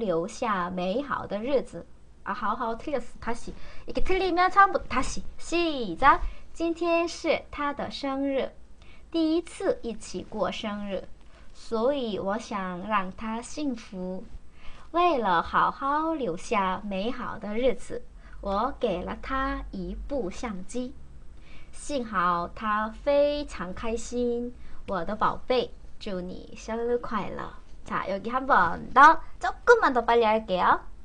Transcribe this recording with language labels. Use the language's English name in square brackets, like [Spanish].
[Chinese] 为了好好留下美好的日子. 好好 [Korean] 틀렸어. 다시 이렇게 틀리면 처음부터 다시 시작. [Chinese] 今天是他的生日，第一次一起过生日, 所以我想让他幸福。为了好好留下美好的日子，我给了他一部相机。幸好他非常开心，我的宝贝，祝你生日快乐。 [Korean] 자, 여기 한번 더, 조금만 더 빨리 할게요.